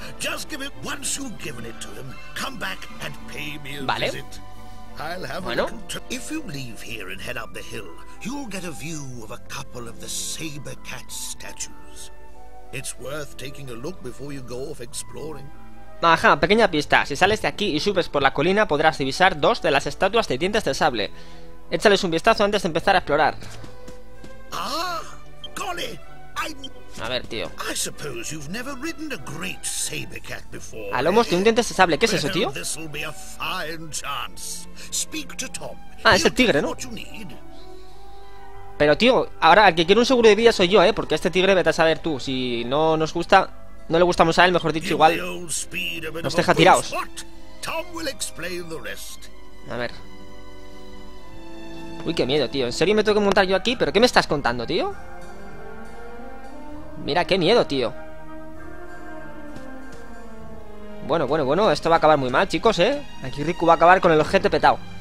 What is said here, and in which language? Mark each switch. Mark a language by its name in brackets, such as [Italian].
[English] Just give it once you've given it to him. Come back and pay me a visit. I'll have [Spanish] bueno. [English] If you leave here and head up the hill, you'll get a view of a couple of the saber cat statues. It's worth taking a look before you go off exploring. [Spanish] Ajá, pequeña pista. Si sales de aquí y subes por la colina, podrás divisar dos de las estatuas de dientes de sable. Échales un vistazo antes de empezar a explorar. [English] Ah, golly. [Spanish] A ver, tío. [English] I suppose you've never ridden a great saber cat before. [Spanish] A lomos de un diente de sable, ¿qué es eso, tío? [English] Well, be a fine chance. Speak to Tom. [Spanish] Ah, es el tigre, ¿no? Pero tío, ahora el que quiere un seguro de vida soy yo, ¿eh? Porque este tigre, vete a saber tú. Si no nos gusta, no le gustamos a él, mejor dicho, igual nos deja tirados. [English] Tom will explain the rest. [Spanish] A ver. Uy, qué miedo, tío. ¿En serio me tengo que montar yo aquí? ¿Pero qué me estás contando, tío? Mira, qué miedo, tío. Bueno, esto va a acabar muy mal, chicos, ¿eh? Aquí Riku va a acabar con el ojete petado.